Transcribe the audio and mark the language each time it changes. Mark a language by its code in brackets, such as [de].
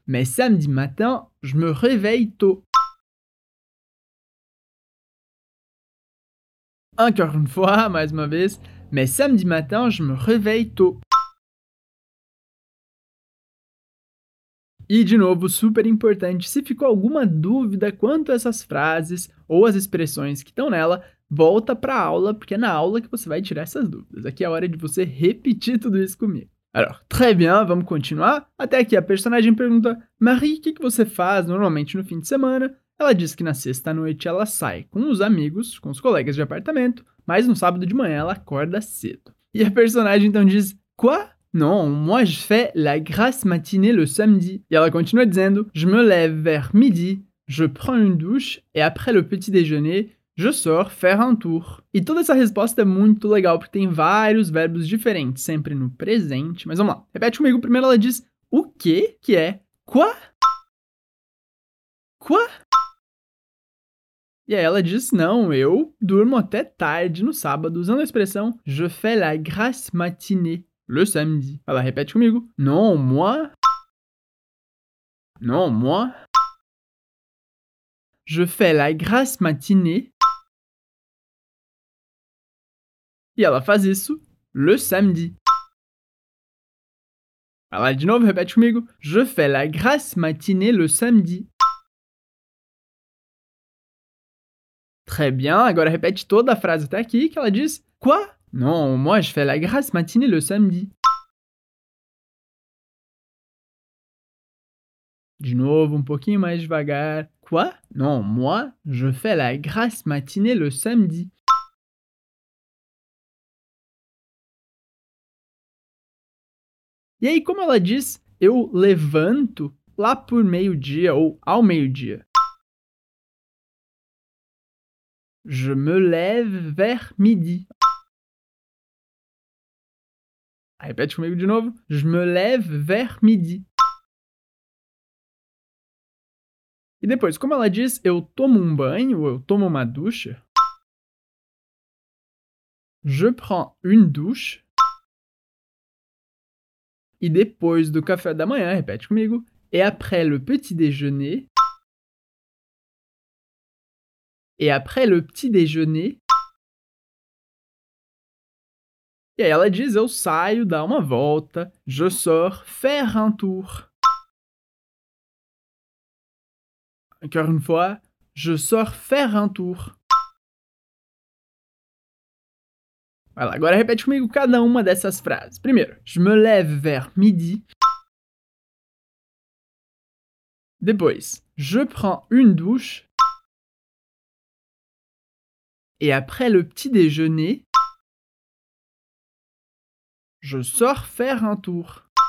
[fr] Mais samedi matin, je me réveille tôt. Encore une fois, mais une fois, mais samedi matin, je me réveille tôt. [pt] E de novo, super importante, se ficou alguma dúvida quanto a essas frases ou as expressões que estão nela, volta para a aula, porque é na aula que você vai tirar essas dúvidas. Aqui é a hora de você repetir tudo isso comigo. [fr] Alors, très bien, [pt] vamos continuar. Até aqui, a personagem pergunta, Marie, o que, que você faz normalmente no fim de semana? Ela diz que na sexta-noite ela sai com os amigos, com os colegas de apartamento, mas no sábado de manhã ela acorda cedo. E a personagem então diz, [fr] quoi? Non, moi je fais la grasse matinée le samedi. [pt] E ela continua dizendo, [fr] je me lève vers midi, je prends une douche, et après le petit déjeuner, je sors faire un tour. [pt] E toda essa resposta é muito legal, porque tem vários verbos diferentes, sempre no presente, mas vamos lá. Repete comigo, primeiro ela diz, o quê? [fr] Que é, quoi? Quoi? [pt] E aí ela diz, não, eu durmo até tarde no sábado, usando a expressão [fr] je fais la grasse matinée le samedi. [pt] Ela repete comigo. [fr] Non, moi. Non, moi. Je fais la grasse matinée. [pt] E ela faz isso [fr] le samedi. [pt] Ela de novo repete comigo. [fr] Je fais la grasse matinée le samedi. Très bien, [pt] agora repete toda a frase até aqui, que ela diz, [fr] quoi? Non, moi je fais la grasse matinée le samedi. [pt] De novo, um pouquinho mais devagar. [fr] Quoi? Non, moi je fais la grasse matinée le samedi. [pt] E aí, como ela diz, eu levanto lá por meio-dia ou ao meio-dia? [fr] Je me lève vers midi. Répète [pt] comigo de novo. [fr] Je me lève vers midi. [pt] E depois, como ela diz, eu tomo um banho ou eu tomo uma douche. [fr] Je prends une douche. [pt] E depois do café da manhã, repete comigo. [fr] Et après le petit déjeuner. Et après le petit déjeuner. [pt] E aí ela diz, eu saio, dá uma volta. [fr] Je sors faire un tour. Encore une fois, Je sors faire un tour. [pt] Voilà, agora repete comigo cada uma dessas frases. Primeiro, [fr] je me lève vers midi. [pt] Depois, [fr] je prends une douche. Et après le petit déjeuner, je sors faire un tour.